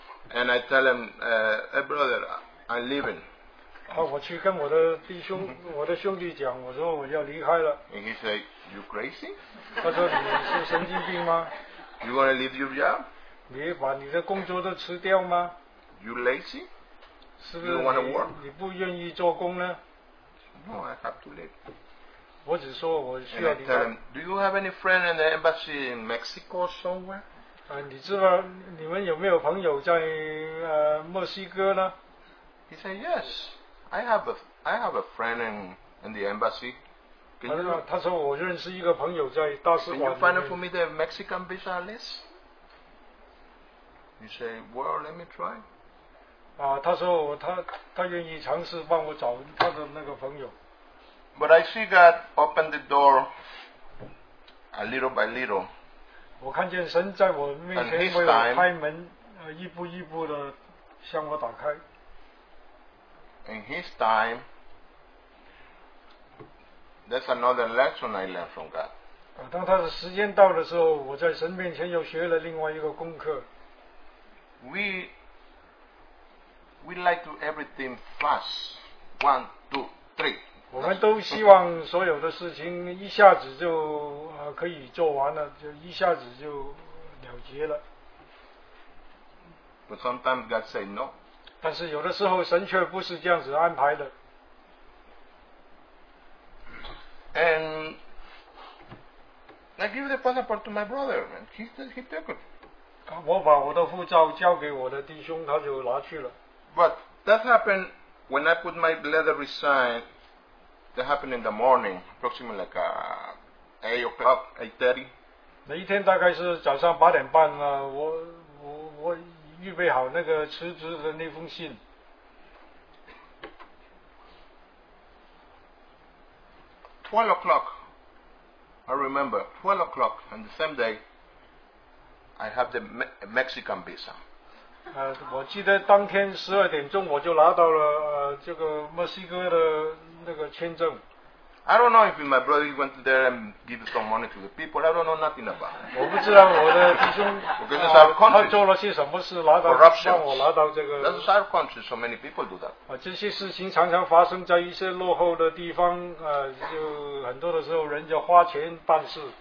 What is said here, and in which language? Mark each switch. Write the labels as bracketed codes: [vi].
[en] And I tell him, "Hey, brother, I'm leaving." [zh] 啊，我去跟我的弟兄、我的兄弟讲，我说我要离开了。 [en] And he said, "You crazy?" [zh] 他说你是神经病吗 [en] ？You want to leave your job? [zh] 你把你的工作都辞掉吗 [en] ？You lazy? [zh] 是不是 你不愿意做工呢 [en] ？No, I have to leave. [zh] 我只说我需要离开。 [en] Him, Do you have any friend in the embassy in Mexico somewhere? [zh] 啊，你知道你们有没有朋友在墨西哥呢 [en] ？He said yes, I have a friend in the embassy. [zh] 他说我认识一个朋友在大使馆。 [en] Can you find for me the Mexican visa list? He said, well, let me try. [zh] 他说他愿意尝试帮我找他的那个朋友。 [en] But I see God open the door a little by little. [zh] 我看见神在我面前为我开门，一步一步的向我打开。 [en] In His time, that's another lesson I learned from God. [zh] 当他的时间到的时候，我在神面前又学了另外一个功课。 [en] We like to everything fast. One, two, three. [zh] 我们都希望所有的事情一下子就可以做完了，就一下子就了结了。 [en] But sometimes God say no. [zh] 但是有的时候神却不是这样子安排的。 [en] And I give the passport to my brother, and he took it. [zh] 我把我的护照交给我的弟兄，他就拿去了。 [en] But that happened when I put my letter resign. That happened in the morning, approximately like 8 o'clock, 8:30. [zh] 每一天大概是早上八点半啊，我预备好那个辞职的那封信。 [en] 12 o'clock, I remember 12 o'clock, and the same day, I have the Mexican visa. [zh] 我记得当天12点钟我就拿到了这个墨西哥的那个签证。 [en] I don't know if my brother went there and give some money to the people. I don't know nothing about. [zh] 我不知道我的弟兄他做了些什么事拿到让我拿到这个。 [en] That's our country. So many people do that. [zh] 这些事情常常发生在一些落后的地方，就很多的时候人家花钱办事。